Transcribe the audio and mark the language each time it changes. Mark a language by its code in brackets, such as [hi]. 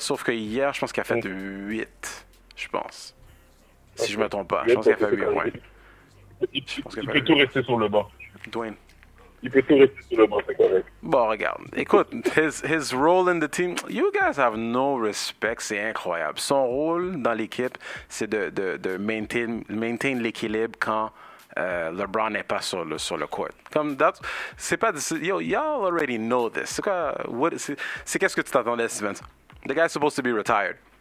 [fr] Sauf que hier, je pense qu'il a fait 8, je pense. Okay. Si je me trompe pas, je pense qu'il a fait 8 points. Il peut tout rester sur le banc, c'est correct. Bon, regarde, écoute, [en] his role in the team, you guys have no respect, [fr] c'est incroyable. Son rôle dans l'équipe, c'est de [en] maintain [fr] l'équilibre quand LeBron n'est pas sur le court. [en] Comme that, [fr] c'est pas [en] yo, y'all already know this. [fr] C'est qu'est-ce que tu t'attendais, Steven? [en] The guy's supposed to be retired.